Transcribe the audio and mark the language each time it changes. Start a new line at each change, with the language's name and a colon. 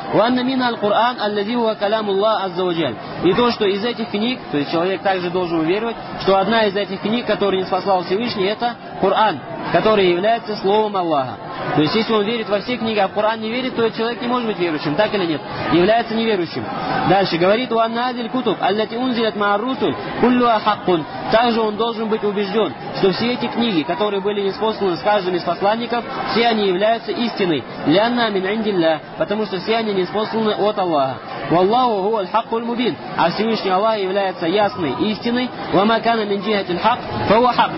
Arabic: وَأَنَّ مِنَ الْقُرْآنِ الَّذِي هُوَ كَلَامُ اللَّهِ عَزَّ وَجَلَّ.
Russian: И то, что из этих книг, то есть человек также должен уверовать, что одна из этих книг, которую ниспослал Всевышний, это Коран, который является словом Аллаха. То есть, если он верит во все книги, а в Коран не верит, то этот человек не может быть верующим, так или нет? Является неверующим. Дальше говорит,
Arabic: وَأَنَّ هَذِهِ الْكُتُبَ الَّتِي أُنْزِلَتْ مَعَ الرُّسُلِ كُلُّهَا حَقٌّ.
Russian: Также он должен быть убежден, что все эти книги, которые были ниспосланы с каждым из посланников, все они являются истиной.
Arabic: لِأَنَّ مِنْ عِنْدِ اللَّهِ.
Russian: Потому что все они ниспосланы от Аллаха.
Arabic: وَاللَّهُ هُوَ الْحَقُّ الْمُبِينُ.
Russian: А Всевышний Аллах является ясной истиной.
Arabic: وَمَا كَانَ مِنْ جِهَةِ الْحَقِّ فَهُوَ حَقٌّ.